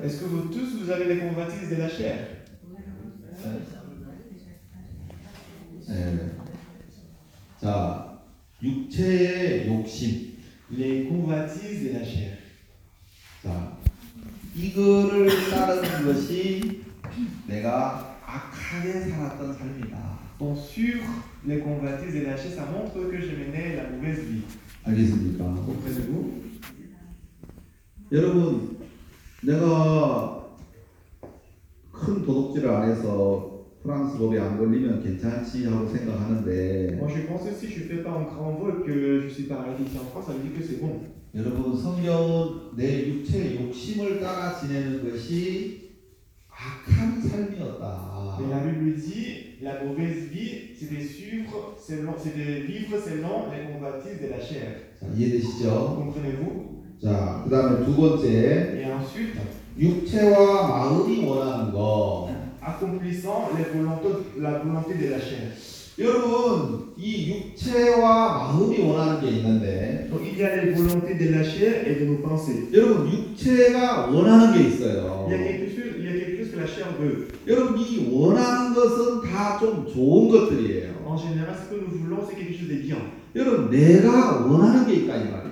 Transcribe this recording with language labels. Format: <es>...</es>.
<fr>Est-ce que vous tous vous avez les convoitises de la chair?</fr> <ko>네. 자. 육체의 욕심.</ko> <fr>Les convoitises de la chair.</fr> <ko>자, 이거를 따르는 것이 내가 악하게 살았던 삶이다.</ko> <fr>Donc sur les convoitises de la chair, ça montre que je menais la mauvaise vie.</fr> <ko>알겠습니까?</ko> <fr>Comprenez-vous?</fr> <ko>여러분, 내가 큰 도둑질을 안 해서 프랑스 법에 안 걸리면 괜찮지 하고 생각하는데.</ko> <fr>Moi, je pense que si je fais pas un grand vol que je suis pas arrêté ici en France, ça veut dire que c'est bon.</fr> <ko>여러분 성경은 내 육체 욕심을 따라 지내는 것이 악한 삶이었다.</ko> <fr>Mais la Bible dit la mauvaise vie, c'est de suivre, c'est de vivre selon les convoitises de la chair.</fr> <ko>자, 이해되시죠?</ko> <fr>Comprenez-vous?</fr> <ko>자, 그다음에 두 번째.</ko> <fr>Et ensuite,</fr> <ko>육체와 마음이 원하는 거.</ko> <fr>Accomplissant les volontés, la volonté de la chair.</fr> <ko>여러분, 이 육체와 마음이 원하는 게 있는데.</ko> <fr>Donc, il y a les volontés de la chair et de nos pensées.</fr> <ko>여러분, 육체가 원하는 게 있어요.</ko> <fr>Il y a quelque chose que la chair veut.</fr> <ko>여러분, 이 원하는 것은 다 좀 좋은 것들이에요.</ko> <fr>En général, ce que nous voulons, c'est quelque chose de bien.</fr> <ko>여러분, 내가 원하는 게 있다 이 말이에요.</ko>